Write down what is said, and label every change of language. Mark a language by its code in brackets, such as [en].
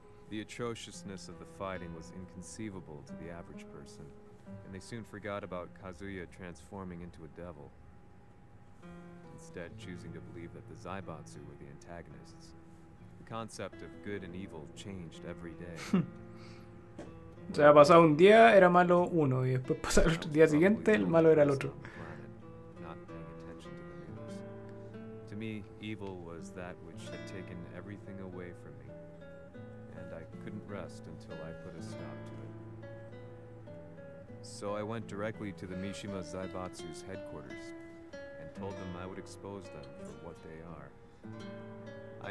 [en] The atrociousness of the fighting was inconceivable to the average person. And they soon forgot about Kazuya transforming into a devil. Instead, choosing to believe that the Zaibatsu were the antagonists. The concept of good and evil changed every day. [es] O sea, pasaba un día, era malo uno, y después pasaba el día siguiente, el malo era el otro. [en] Not paying attention to the news. To me, evil was that which had taken everything away from me. And I couldn't rest until I put a stop to it. So I went directly to the Mishima Zaibatsu's headquarters and told them I would expose them for what they are.